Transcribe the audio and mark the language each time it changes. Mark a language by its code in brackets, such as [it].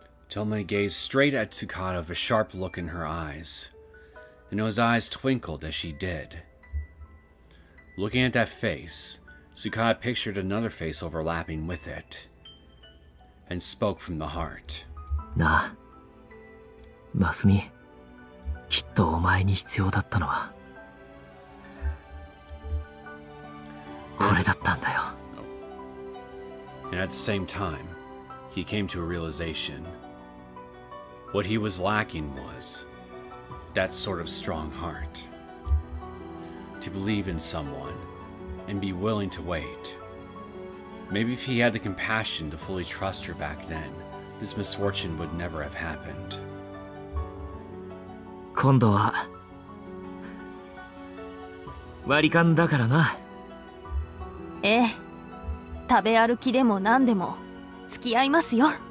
[en] Tomoe gazed straight at Tsukada with a sharp look in her eyes, and those eyes twinkled as she did. Looking at that face, Tsukada pictured another face overlapping with it, and spoke from the heart. [ja] なあ、マスミ、きっとお前に必要だったのはこれだったんだよ。 [en] And at the same time, he came to a realization. What he was lacking was that sort of strong heart. To believe in someone and be willing to wait. Maybe if he had the compassion to fully trust her back then, this misfortune would never have happened. [ja] 今度は割り勘だからな。ええ、食べ歩きでも何でも付き合いますよ。